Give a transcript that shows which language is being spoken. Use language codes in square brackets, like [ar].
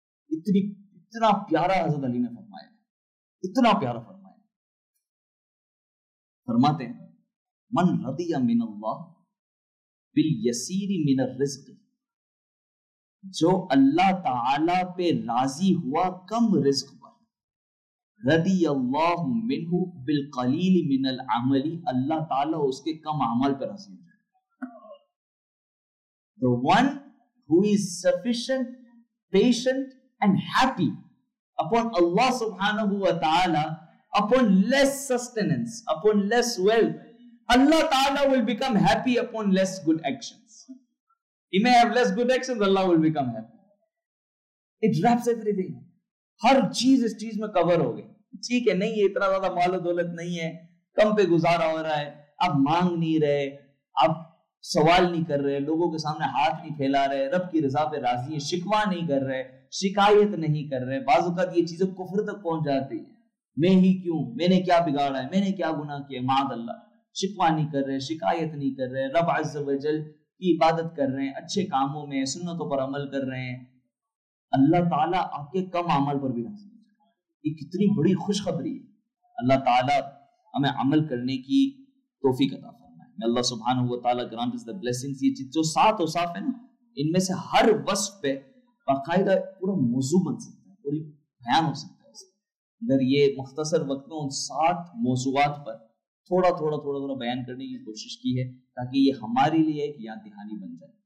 [ur] اتنا پیارا حضرت علی نے فرمایا، اتنا پیارا فرمایا، فرماتے ہیں [ar] من رضی من اللہ بالیسیر من الرزق، [ur] جو اللہ تعالی پہ راضی ہوا کم رزق پر. [ar] رضی اللہ منہ بالقلیل من العمل، [ur] اللہ تعالی اس کے کم عمل پہ راضی ہو جائے. [en] The one who is sufficient, patient and happy upon Allah subhanahu wa ta'ala, upon less sustenance, upon less wealth, Allah ta'ala will become happy upon less good actions. He may have less good actions, Allah will become happy. It wraps everything. [ur] Har cheez is cheez mein cover ho gayi. Theek hai, nahi ye itna zyada maal o daulat nahi hai, kam pe guzara ho raha hai, ab maang nahi rahe, ab سوال نہیں کر رہے، لوگوں کے سامنے ہاتھ نہیں پھیلا رہے، رب کی رضا پہ راضی ہیں، شکوا نہیں کر رہے، شکایت نہیں کر رہے. بعض اوقات یہ چیزیں کفر تک پہنچ جاتی ہیں، میں ہی کیوں، میں نے کیا بگاڑا ہے، میں نے کیا گناہ کیا، معاذ اللہ. شکوا نہیں کر رہے، شکایت نہیں کر رہے، رب عز و جل کی عبادت کر رہے ہیں، اچھے کاموں میں، سنتوں پر عمل کر رہے ہیں، اللہ تعالیٰ آپ کے کم عمل پر بھی راضی. یہ کتنی بڑی خوشخبری ہے. اللہ تعالیٰ ہمیں عمل کرنے کی توفیق عطا. [en] اللہ سبحانہ وتعالی گرانٹ اس دا بلیسنگز. [ur] یہ جو سات اوصاف ہیں ان میں سے ہر وصف پہ باقاعدہ پورا موضوع بن سکتا ہے، پوری بیان ہو سکتا ہے. اگر یہ مختصر وقت میں ان سات موضوعات پر تھوڑا تھوڑا تھوڑا تھوڑا بیان کرنے کی کوشش کی ہے تاکہ یہ ہمارے لیے ایک یاد دہانی بن جائے.